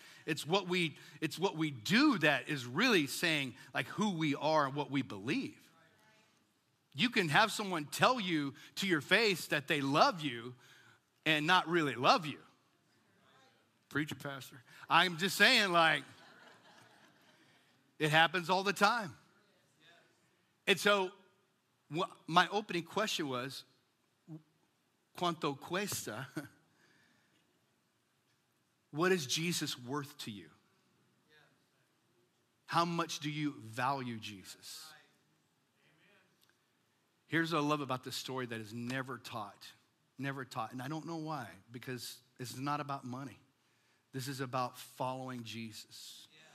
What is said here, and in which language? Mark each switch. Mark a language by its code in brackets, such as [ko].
[en] It's what we do that is really saying like who we are and what we believe. You can have someone tell you to your face that they love you and not really love you. Preacher, pastor. I'm just saying, like, it happens all the time. And so my opening question was, [es] ¿cuánto cuesta? [en] What is Jesus worth to you? How much do you value Jesus? Here's what I love about this story that is never taught. Never taught. And I don't know why, because it's not about money. This is about following Jesus.